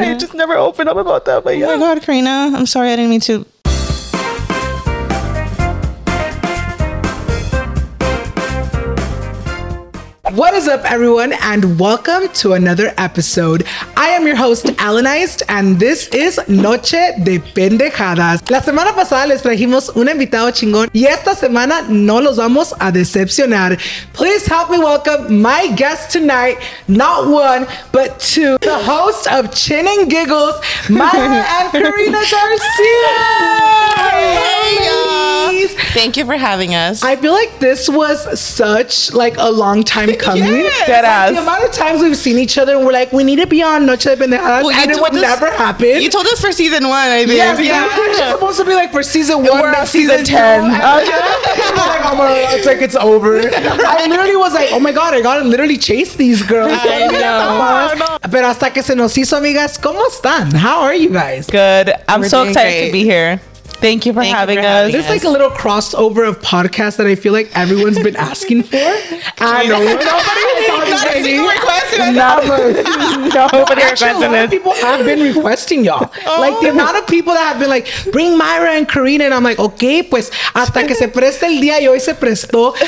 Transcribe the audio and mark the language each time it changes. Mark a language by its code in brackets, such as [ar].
[en] I just never opened up about that. But yeah. Oh my God, Karina. I'm sorry. I didn't mean to. What is up, everyone, and welcome to another episode. I am your host, Alanized, and this is Noche de Pendejadas. [es] La semana pasada les trajimos un invitado chingón, y esta semana no los vamos a decepcionar. [en] Please help me welcome my guest tonight, not one, but two, the host of Chin and Giggles, Mayra and Karina Garcia. Hey, y'all. Thank you for having us. I feel like this was such like a long time coming. Yes. Deadass. Like, the amount of times we've seen each other and we're like, we need to be on Noche de Pendejadas, well, and it would never happen. You told us for season one, I think. Yes, yeah, yeah. She's supposed to be like for season one. We're on season 10. It's like it's over. I literally was like, oh my God, I gotta literally chase these girls. I know. [es] Pero hasta que se nos hizo, amigas, ¿cómo están? [en] How are you guys? Good. I'm so excited to be here. Thank you for having us. There's like a little crossover of podcasts that I feel like everyone's been asking for. Nobody requested this. People have been requesting y'all. Like the amount of people that have been like, bring Mayra and Karina. And I'm like, okay, [es] pues hasta que se preste el día y hoy se prestó.